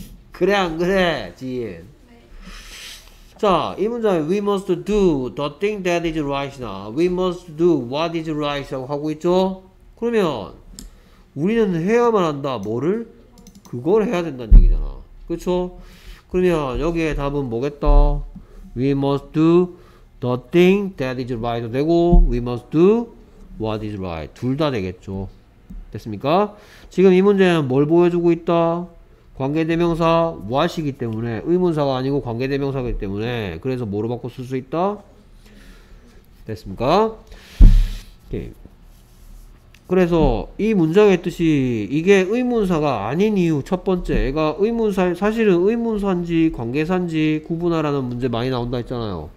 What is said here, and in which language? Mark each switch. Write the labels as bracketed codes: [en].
[ko] 그래 안 그래 지인? 자, 이 문장에 [en] we must do the thing that is right나 we must do what is right [ko] 라고 하고 있죠? 그러면 우리는 해야만 한다. 뭐를? 그걸 해야 된다는 얘기잖아. 그쵸? 그러면 여기에 답은 뭐겠다? [en] We must do the thing that is right도 되고 we must do what is right. [ko] 둘다 되겠죠. 됐습니까? 지금 이 문제는 뭘 보여주고 있다? 관계대명사 what이기 때문에, 의문사가 아니고 관계대명사이기 때문에, 그래서 뭐로 바꿔 쓸수 있다? 됐습니까? 오케이. 그래서 이 문장의 뜻이, 이게 의문사가 아닌 이유 첫 번째, 얘가 의문사, 사실은 의문사인지 관계사인지 구분하라는 문제 많이 나온다 했잖아요.